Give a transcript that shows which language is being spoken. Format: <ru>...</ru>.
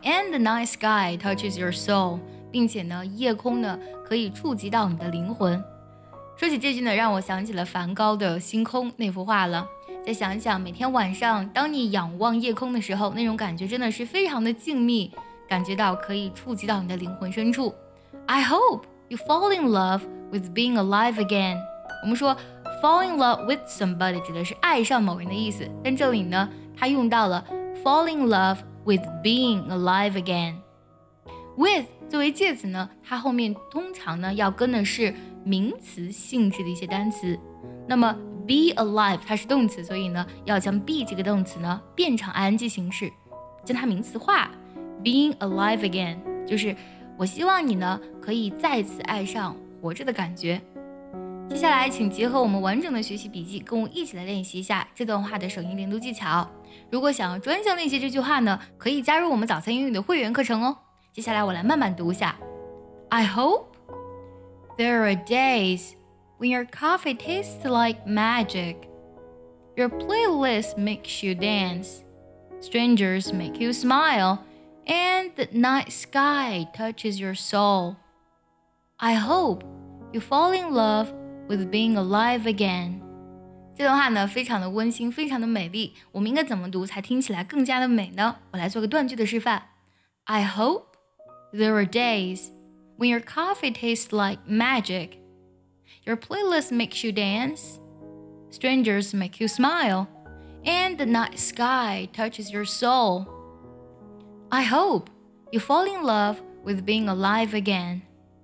<en>And the night sky touches your soul</en> <zh>并且呢夜空呢可以触及到你的灵魂。说起这句呢，让我想起了梵高的《星空》那幅画了。再想一想，每天晚上当你仰望夜空的时候，那种感觉真的是非常的静谧。感觉到可以触及到你的灵魂深处。</zh> <en>I hope you fall in love with being alive again.</en> <zh>我们说</zh> <en>fall in love with somebody</en> <zh>指的是爱上某人的意思，但这里呢，它用到了</zh> <en>fall in love with being alive again.</en> <zh>With 作为介词呢，它后面通常呢要跟的是名词性质的一些单词。那么 be alive 它是动词，所以呢要将 be 这个动词呢变成 ing 形式，将它名词化。</zh> <en>Being alive again</en> <zh>就是我希望你呢可以再次爱上活着的感觉。接下来请结合我们完整的学习笔记，跟我一起来练习一下这段话的首音连读技巧。如果想要专项练习这句话呢，可以加入我们早餐英语的会员课程哦。接下来我来慢慢读一下。</zh> <en>I hope there are days when your coffee tastes like magic. Your playlist makes you dance. Strangers make you smileAnd the night sky touches your soul. I hope you fall in love with being alive again.</en> <zh>这段话呢非常的温馨，非常的美丽。我们应该怎么读才听起来更加的美呢？我来做个断句的示范。</zh> <en>I hope there are days when your coffee tastes like magic. Your playlist makes you dance. Strangers make you smile. And the night sky touches your soul.I hope you fall in love with being alive again.</en>